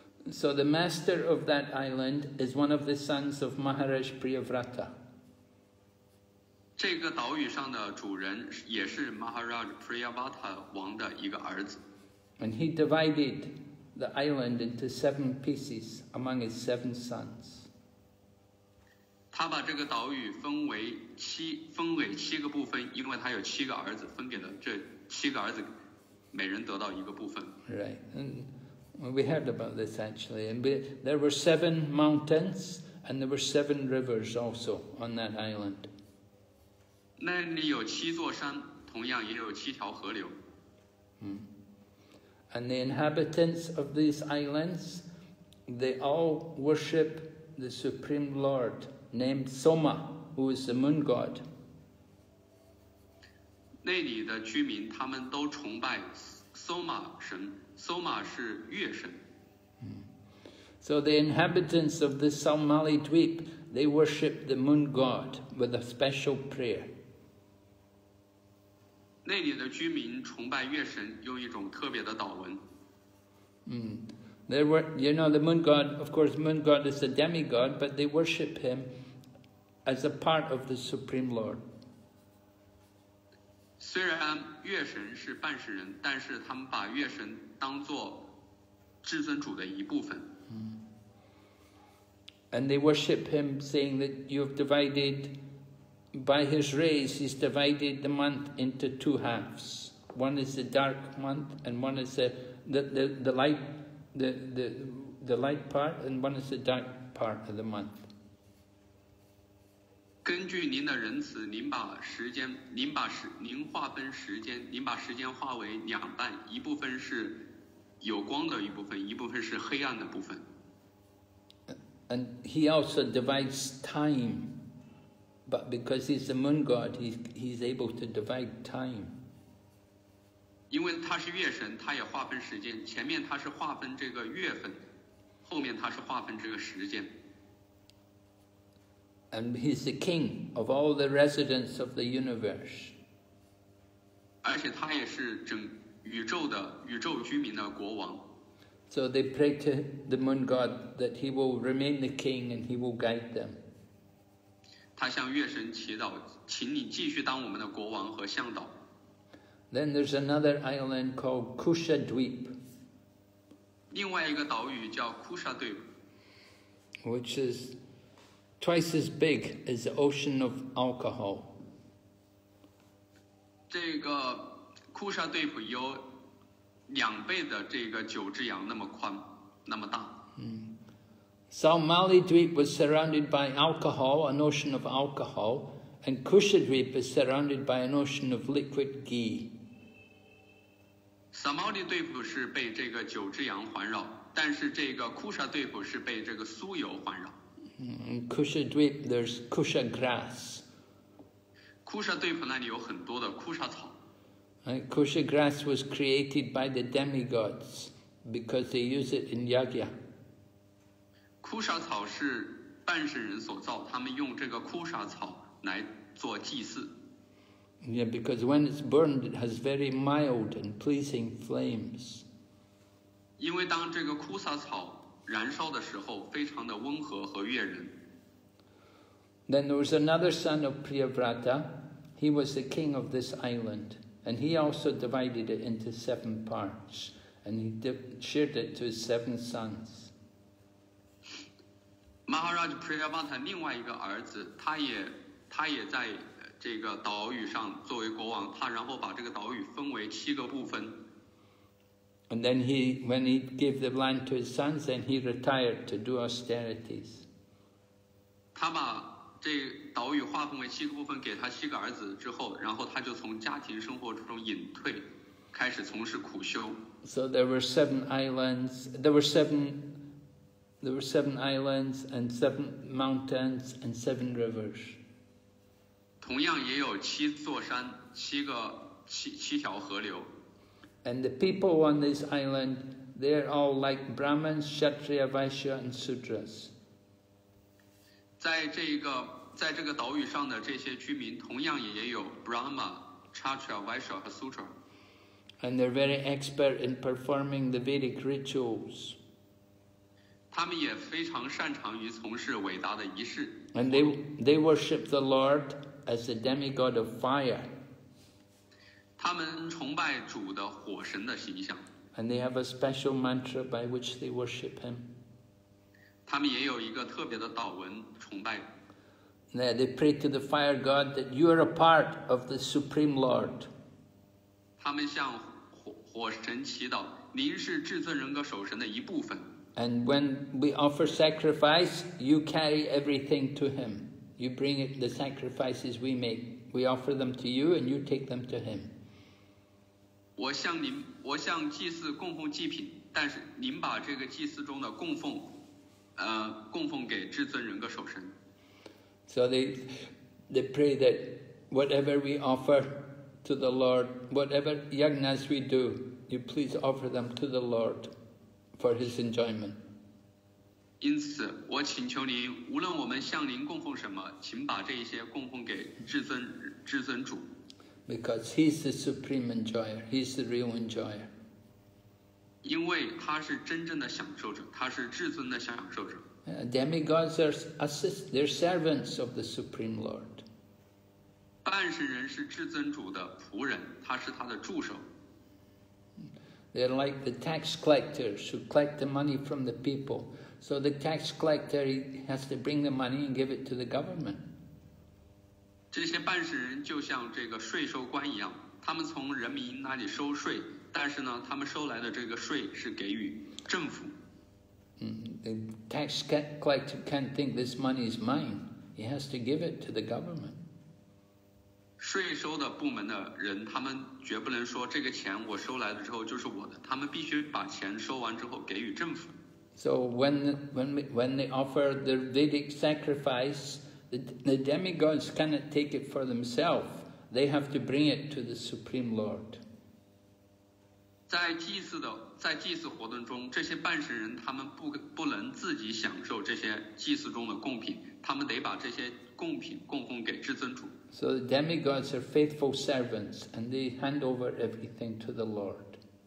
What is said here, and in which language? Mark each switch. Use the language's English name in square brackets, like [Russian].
[English] So the master of that island is one of the sons of Maharaj Priyavrata. [Chinese] 这个岛屿上的主人也是 Maharaj Priyavrata 王的一个儿子。 [English] And he divided. The island into seven pieces among his seven sons. [Chinese] 他把这个岛屿分为七个部分，因为他有七个儿子，分给了这七个儿子，每人得到一个部分。 [English] Right, and we heard about this actually, and there were seven mountains and there were seven rivers also on that island. [Chinese] 那里有七座山，同样也有七条河流。 [English] And the inhabitants of these islands, they all worship the Supreme Lord named Soma, who is the moon god. [Chinese] 那里的居民他们都崇拜 Soma 神 ，Soma 是月神。 [English] So the inhabitants of the Somali Dweep, they worship the moon god with a special prayer. [Chinese] 那里的居民崇拜月神，用一种特别的祷文。 [English] There were, you know, the moon god. Of course, moon god is a demigod, but they worship him as a part of the supreme lord. [Chinese] 虽然月神是半神人，但是他们把月神当作至尊主的一部分。 [English] And they worship him, saying that you've divided. By his rays, he's divided the month into two halves. One is the dark month, and one is the light part, and one is the dark part of the month. [Chinese] 根据您的仁慈，您划分时间，您把时间划为两半，一部分是有光的一部分，一部分是黑暗的部分。 [English] And he also divides time. But because he's the moon god, he's able to divide time. [Chinese] 因为他是月神，他也划分时间。前面他是划分这个月份，后面他是划分这个时间。 [English] And he's the king of all the residents of the universe. [Chinese] 而且他也是整宇宙居民的国王。 [English] So they pray to the moon god that he will remain the king and he will guide them. [Chinese] 他向月神祈祷，请你继续当我们的国王和向导。 [English] Then there's another island called Kusha Dweep. [Chinese] 另外一个岛屿叫 Kusha Dweep, [English] which is twice as big as the ocean of alcohol. [Chinese] 这个 Kusha Dweep 有两倍的这个九只羊那么宽，那么大。 [English] Somali Dweep was surrounded by alcohol, an ocean of alcohol, and Kusha Dweep is surrounded by an ocean of liquid ghee. [Chinese] Somali Dweep 是被这个九只羊环绕，但是这个 Kusha Dweep 是被这个酥油环绕。 [English] Kusha Dweep, there's Kusha grass. [Chinese] Kusha Dweep 那里有很多的 Kusha 草。 [English] Kusha grass was created by the demigods because they use it in yagya. [Chinese] 枯沙草是半神人所造，他们用这个枯沙草来做祭祀。 [English] Yeah, because when it's burned, it has very mild and pleasing flames. [Chinese] 因为当这个枯沙草燃烧的时候，非常的温和和悦人。 [English] Then there was another son of Priyavrata. He was the king of this island, and he also divided it into seven parts, and he shared it to his seven sons. [Chinese] Maharaj Priyavrata 另外一个儿子，他也在这个岛屿上作为国王，他然后把这个岛屿分为七个部分。 [English] And then he, when he gave the land to his sons, then he retired to do austerities. [Chinese] 他把这岛屿划分为七个部分给他七个儿子之后，然后他就从家庭生活中隐退，开始从事苦修。 [English] So there were seven islands. There were seven islands and seven mountains and seven rivers. [Chinese] 同样也有七座山，七条河流。 [English] And the people on this island, they're all like Brahmins, Kshatriya, Vaishya, and Sudras. [Chinese] 在这个岛屿上的这些居民，同样也有 [English] Brahma, Kshatriya, Vaishya, and Sudra. And they're very expert in performing the Vedic rituals. [Chinese] 他们也非常擅长于从事伟大的仪式。 [English] And they worship the Lord as the demigod of fire. [Chinese] 他们崇拜主的火神的形象。 [English] And they have a special mantra by which they worship him. [Chinese] 他们也有一个特别的祷文崇拜。 [English] They pray to the fire god that you are a part of the supreme lord. [Chinese] 他们向 火神祈祷，您是至尊人格守神的一部分。 [English] And when we offer sacrifice, you carry everything to him. You bring the sacrifices we make. We offer them to you and you take them to him. [Chinese] 我向祭祀供奉祭品，但是您把这个祭祀中的供奉给至尊人格守神。 [English] So they pray that whatever we offer to the Lord, whatever yagnas we do, you please offer them to the Lord for his enjoyment. [Chinese] 因此，我请求您，无论我们向您供奉什么，请把这些供奉给至尊主。 [English] Because he's the supreme enjoyer, he's the real enjoyer. [Chinese] 因为他是真正的享受者，他是至尊的享受者。 [English] Demigods are they're servants of the supreme lord. [Chinese] 半神人是至尊主的仆人，他是他的助手。 [English] They're like the tax collectors who collect the money from the people. So the tax collector he has to bring the money and give it to the government. [Chinese] 这些办事人就像这个税收官一样，他们从人民那里收税，但是呢，他们收来的这个税是给予政府。 [English] The tax collector can't think this money is mine. He has to give it to the government. [Chinese] 税收的部门的人，他们绝不能说这个钱我收来了之后就是我的，他们必须把钱收完之后给予政府。 [English] So when they offer the Vedic sacrifice. The demigods cannot take it for themselves. They have to bring it to the Supreme Lord. [Chinese] 在祭祀活动中，这些办事人他们不能自己享受这些祭祀中的贡品，他们得把这些贡品供奉给至尊主。 [English] So the demigods are faithful servants, and they hand over everything to the Lord.